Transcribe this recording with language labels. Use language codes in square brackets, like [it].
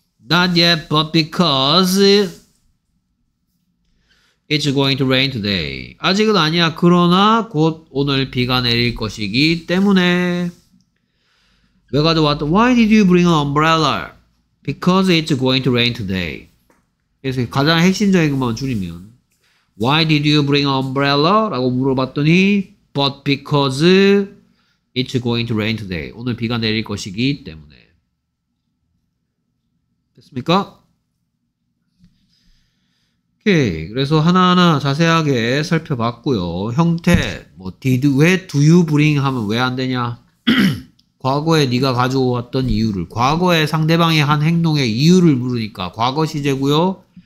[en] Not yet, but because it's going to rain today. [ko] 아직은 아니야. 그러나 곧 오늘 비가 내릴 것이기 때문에. 왜 가져왔다? [en] Why did you bring an umbrella? Because it's going to rain today. [ko] 그래서 가장 핵심적인 것만 줄이면 [en] Why did you bring an umbrella? [ko] 라고 물어봤더니 [en] But because it's going to rain today. [ko] 오늘 비가 내릴 것이기 때문에. 됐습니까? 오케이. 그래서 하나하나 자세하게 살펴봤고요. 형태, 뭐 did, 왜 [en] do you bring [ko] 하면 왜 안 되냐? 과거에 네가 가져왔던 이유를, 과거에 상대방이 한 행동의 이유를 물으니까 과거 시제고요.